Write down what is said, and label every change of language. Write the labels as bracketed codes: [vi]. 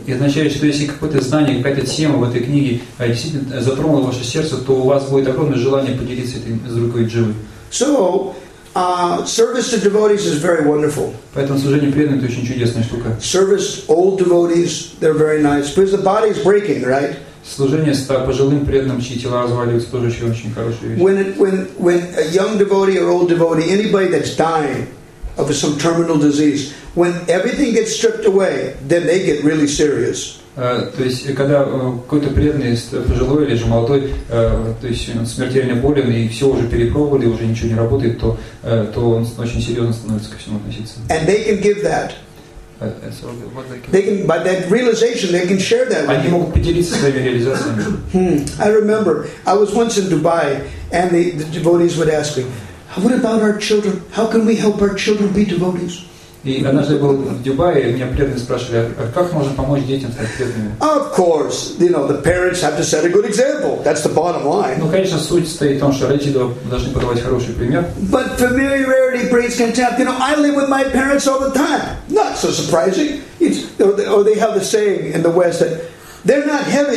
[ru] И означает, что если какое-то знание, какая-то тема в этой книге действительно затронула ваше сердце, то у вас будет огромное желание поделиться этим с другой дживой. [en] So, service to devotees is very wonderful. [ru] Поэтому служение преданным — это очень чудесная штука. [en] Service old devotees, they're very nice. Because the body is breaking, right? [ru] Служение пожилым преданным, чьи тела разваливаются, тоже еще очень хорошая вещь. [en] When a young devotee or old devotee, anybody that's dying of some terminal disease, when everything gets stripped away, then they get really serious. [ru] То есть, когда какой-то преданный, пожилой или же молодой, то есть, смертельно болен, и все уже перепробовали, уже ничего не работает, то он очень серьезно становится ко всему относиться. [en] And they can give that. By that realization, they can share that. [ru] Они могут поделиться своими реализациями. [en] I remember, I was once in Dubai, and the devotees would ask me, what about our children? How can we help our children be devotees? [ru] И однажды был в Дубае, и меня преданные спрашивали, а как можно помочь детям стать преданными? [en] Of course, you know, the parents have to set a good example. That's the bottom line. [ru] Ну, конечно, суть стоит в том, что родители должны подавать хороший пример. [en] But familiarity breeds contempt. You know, I live with my parents all the time. Not so surprising. Or they have the saying in the West that they're not heavy.